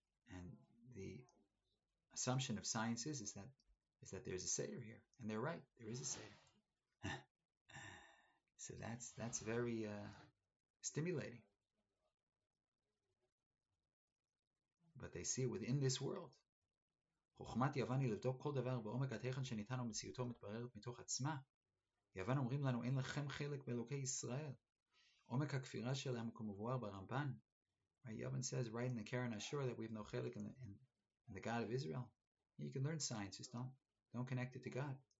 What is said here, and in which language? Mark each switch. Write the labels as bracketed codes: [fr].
[en] And the assumption of science is that there's a Seder here. And they're right, there is a Seder. So that's very stimulating. But they see within this world. [he] חוכמת יוון היא לבדוק כל דבר בעומק התכן שניתן ומציאותו מתבררת מתוך עצמה. יוון אומרים לנו, אין לכם חלק באלוקי ישראל. עומק הכפירה שלהם כמובואר ברמב"ן. [en] יוון says right in the Karen Ashur that we have no חלק in the God of Israel. You can learn science, just don't connect it to God.